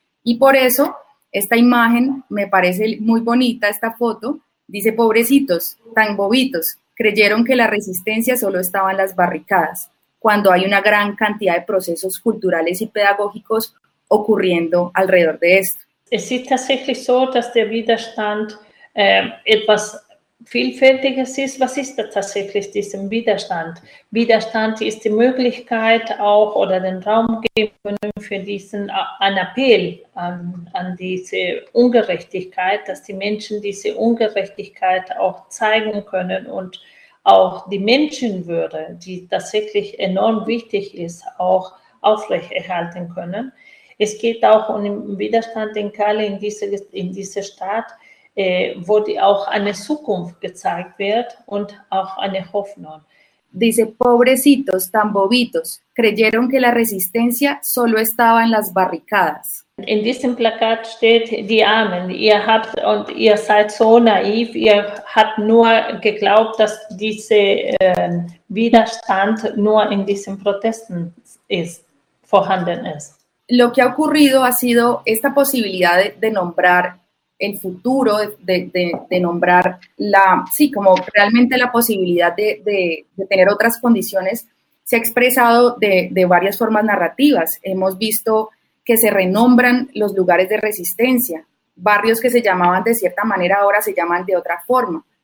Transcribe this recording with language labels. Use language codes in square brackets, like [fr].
[es] Y por eso esta imagen me parece muy bonita, esta foto, dice: pobrecitos, tan bobitos, creyeron que la resistencia solo estaba en las barricadas, cuando hay una gran cantidad de procesos culturales y pedagógicos ocurriendo alrededor de esto. [de] Es tatsächlich so, dass der Widerstand etwas Vielfältiges ist. Was ist tatsächlich diesem Widerstand? Widerstand ist die Möglichkeit auch oder den Raum geben für diesen Appell an diese Ungerechtigkeit, dass die Menschen diese Ungerechtigkeit auch zeigen können und auch die Menschenwürde, die tatsächlich enorm wichtig ist, auch aufrechterhalten können. Es geht auch um den Widerstand in Cali, in dieser Stadt, wo die auch eine Zukunft gezeigt wird und auch eine Hoffnung. [es] Dice: pobrecitos, tan bobitos, creyeron que la resistencia solo estaba en las barricadas. [de] In diesem Plakat steht: die Armen, ihr habt und ihr seid so naiv, ihr habt nur geglaubt, dass dieser Widerstand nur in diesen Protesten ist, vorhanden ist. [es] Lo que ha ocurrido ha sido esta posibilidad de nombrar el futuro, de nombrar la, sí, como realmente la posibilidad de tener otras condiciones, se ha expresado de varias formas narrativas. Hemos visto que se renombran los lugares de resistencia, barrios que se llamaban de cierta manera ahora se llaman de otra forma.